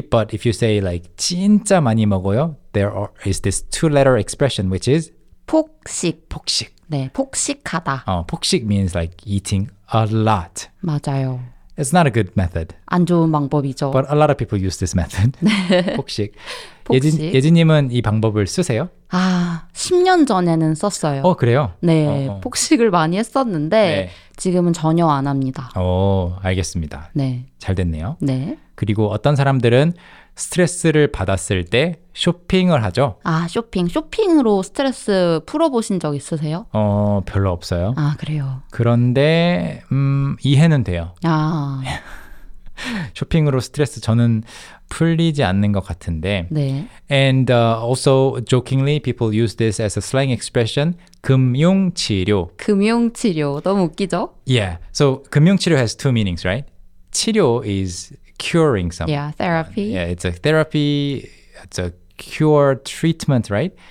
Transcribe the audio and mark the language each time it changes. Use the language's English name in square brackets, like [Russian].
[English] But if you say like [Korean] 진짜 많이 먹어요, [English] there are, is this two-letter expression, which is [Korean] 폭식. 폭식. 네, 폭식하다. [English] 어, 폭식 means like eating a lot. [Korean] 맞아요. [English] It's not a good method. [Korean] 안 좋은 방법이죠. [English] But a lot of people use this method. [Korean] 네. 폭식. 폭식. 예진님은 이 방법을 쓰세요? 아, 10년 전에는 썼어요. 어, 그래요? 네, 어, 어. 폭식을 많이 했었는데 네. 지금은 전혀 안 합니다. 오, 알겠습니다. 네. 잘 됐네요. 네. 그리고 어떤 사람들은 스트레스를 받았을 때 쇼핑을 하죠? 아, 쇼핑. 쇼핑으로 스트레스 풀어보신 적 있으세요? 어, 별로 없어요. 아, 그래요. 그런데 이해는 돼요. 아. 쇼핑으로 스트레스 저는 풀리지 않는 것 같은데. 네. [English] And also jokingly people use this as a slang expression 금융치료. [Korean] 금융치료. 너무 웃기죠? [English] Yeah. So 금융치료 has two meanings, right? 치료 is curing something. Yeah, therapy. Yeah, it's a therapy, it's a cure treatment, right?